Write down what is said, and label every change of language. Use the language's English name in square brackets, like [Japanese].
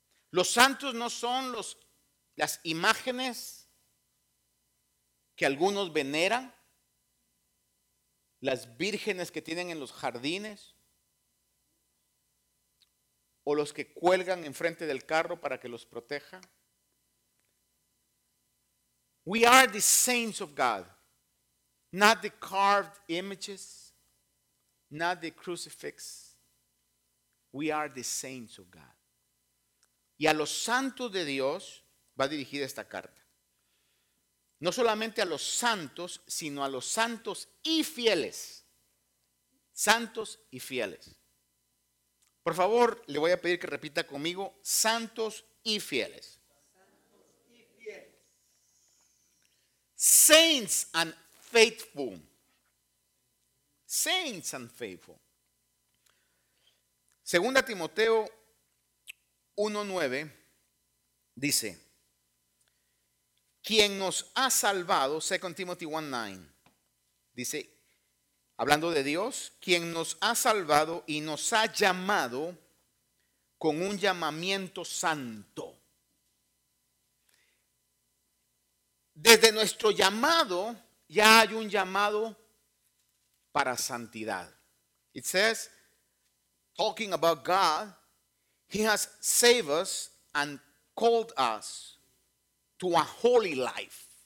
[Spanish] Los santos no son las imágenes que algunos veneran, las vírgenes que tienen en los jardines, o los que cuelgan enfrente del carro para que los proteja. [English] We are the saints of God, not the carved images, not the crucifix. We are the saints of God. [Spanish] Y a los santos de Dios va dirigida esta carta. No solamente a los santos, sino a los santos y fieles. Santos y fieles. Por favor, le voy a pedir que repita conmigo: santos y fieles. [English] Saints and faithful. Saints and faithful. [Spanish] Segunda Timoteo 1:9 dice: quien nos ha salvado, 2 Timothy 1:9, dice, hablando de Dios, quien nos ha salvado y nos ha llamado con un llamamiento santo. Desde nuestro llamado, ya hay un llamado para santidad. [English] It says, talking about God, He has saved us and called us to a holy life.